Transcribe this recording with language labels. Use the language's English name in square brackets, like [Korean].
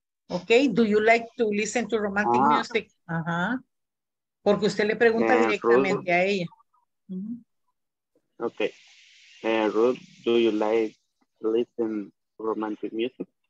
[English] Okay, do you like to listen to romantic music? Ajá. [Spanish] Porque usted le pregunta directamente Ruth, a ella. [English] Okay. Ruth, do you like to listen to romantic music?